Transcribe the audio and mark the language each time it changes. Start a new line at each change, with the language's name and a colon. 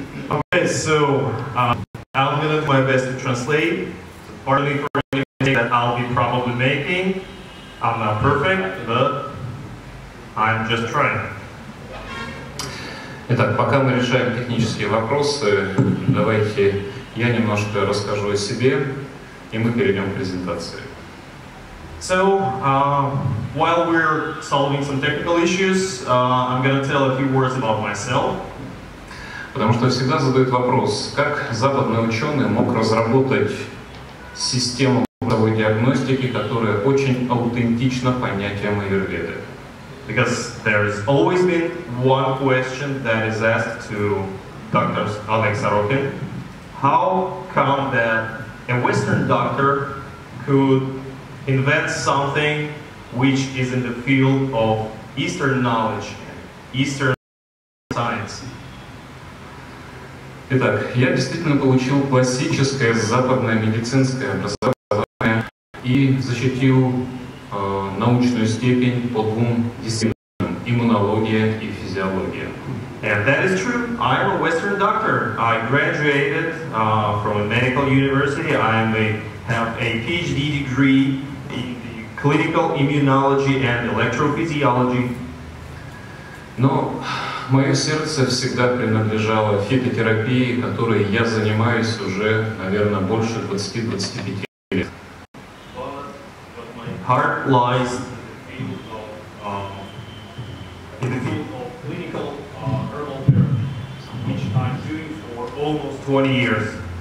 English: Okay, so I'll do my best to translate. Pardon me for any mistake that I'll be probably making. I'm not perfect, but I'm just trying.
Russian: Итак, пока мы решаем технические вопросы, давайте я немножко расскажу о себе, и мы перейдем к презентации.
English: So, while we're solving some technical issues, I'm going to tell a few words about myself.
Russian: Потому что всегда задают вопрос, как западный ученый мог разработать систему бытовой диагностики, которая очень аутентична понятиям аюрведы.
English: Because there's always been one question that is asked to Dr. Oleg Sorokin. How come that a Western doctor could invent something which is in the field of Eastern knowledge, Eastern science?
Russian: Итак, я действительно получил классическое западное медицинское образование и защитил научную степень по двум дисциплинам – иммунология и физиология.
English: And that is true. I'm a Western doctor. I graduated from a medical university. I have a PhD degree in clinical immunology and electrophysiology.
Russian: Но мое сердце всегда принадлежало фитотерапии, которой я занимаюсь уже, наверное, больше 20-25 лет.
English: Heart lies in the field of clinical herbal therapy, which I'm doing for almost 20 years.